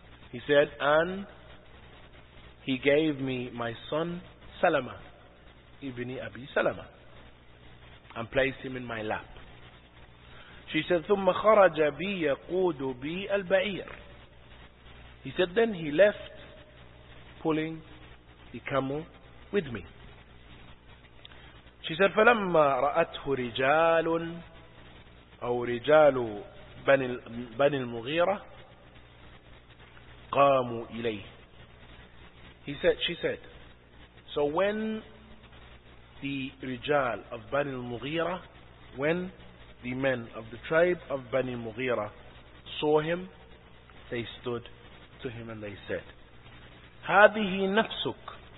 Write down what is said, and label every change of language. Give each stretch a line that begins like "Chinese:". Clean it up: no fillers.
English: He said, and he gave me my son Salama, Ibn Abi Salama, and placed him in my lap. She said,
Arabic: ثم خرج بي يقود بي البعير.
English: He said, then he left pulling the camel with me. She said,
Arabic: فلما رأته رجال أو رجال بني المغيرة قاموا إليه. She said,
English: So when the Rijal of Bani al-Mughira, when the men of the tribe of Bani al-Mughira saw him, they stood to him and they said,
Arabic: هذه نفسك